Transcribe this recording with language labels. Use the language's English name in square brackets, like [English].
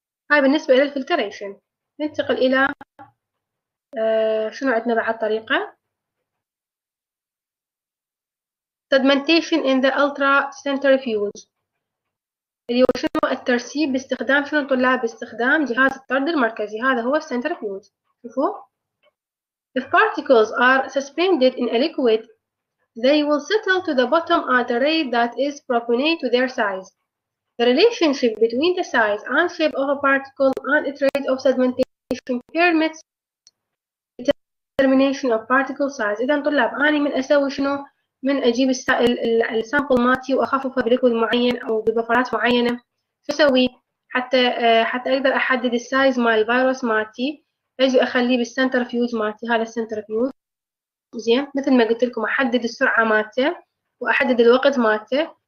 [Arabic] هاي بالنسبه الى الفلتريشن. ننتقل الى شنو عندنا بعد طريقه [English] sedimentation in the ultracentrifuge, [Arabic] اللي هو شنو الترسيب باستخدام شنو الطلاب باستخدام جهاز الطرد المركزي، هذا هو السنترفيوج. شوفوا [English] If particles are suspended in a liquid, they will settle to the bottom at a rate that is proportionate to their size. The relationship between the size and shape of a particle and its rate of sedimentation permits determination of particle size. [Arabic] إذا طلاب أنا من أسوي شنو؟ من أجيب السامبل ماتي وأخففه بليكويد معين أو ببفرات معينة، شو أسوي؟ حتى أقدر أحدد السايز مال الفيروس ماتي. اجي اخليه بالسنترفيوج مالتي، هذا السنترفيوج زين، مثل ما قلت لكم احدد السرعه مالته واحدد الوقت مالته.